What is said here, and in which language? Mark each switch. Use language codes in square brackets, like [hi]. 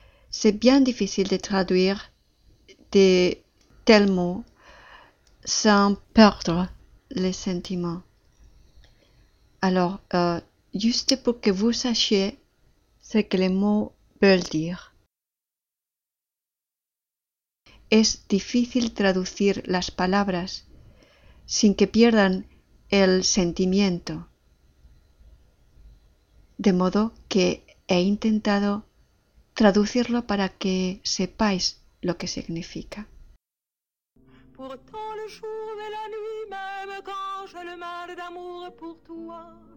[fr] C'est bien difficile de traduire de tels mots sans perdre les sentiments. Alors, juste pour que vous sachiez ce que les mots veulent dire. [es] Es difícil traducir las palabras sin que pierdan el sentimiento. De modo que he intentado traducirlo para que sepáis lo que significa. [fr] Pourtant le jour et la nuit, même quand j'ai le mal d'amour pour toi.